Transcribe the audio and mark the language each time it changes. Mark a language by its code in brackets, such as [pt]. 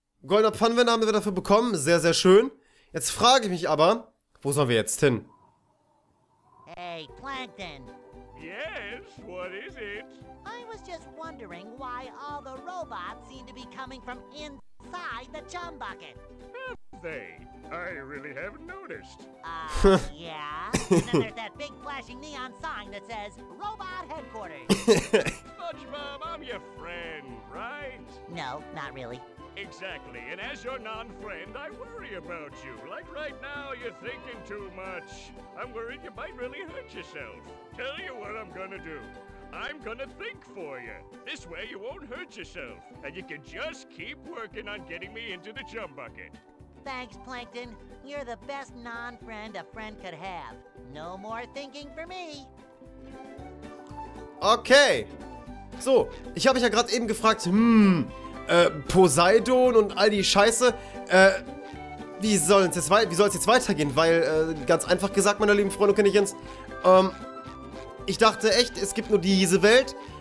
[de] Goldener Pfannenwender haben wir dafür bekommen. Sehr, sehr schön. Jetzt frage ich mich aber, wo sollen wir jetzt hin? [en] Hey, Plankton. Yes, what is it? I was just wondering why all the robots seem to be coming from inside the chum bucket. Have they? I really haven't noticed. yeah. And then there's that big flashing neon sign that says, Robot Headquarters. SpongeBob, I'm your friend, right? No, not really. Exactly, and as your non-friend, I worry about you. Like right now, you're thinking too much. I'm worried you might really hurt yourself. Tell you what I'm gonna do. I'm gonna think for you. This way, you won't hurt yourself. And you can just keep working on getting me into the chum bucket. Thanks, Plankton. You're the best non-friend a friend could have. No more thinking for me. Okay. [de] So, ich habe mich ja gerade eben gefragt, Poseidon und all die Scheiße, wie soll es jetzt weitergehen? Weil, ganz einfach gesagt, meine lieben Freunde, kenne ich Jens, ich dachte echt, es gibt nur diese Welt.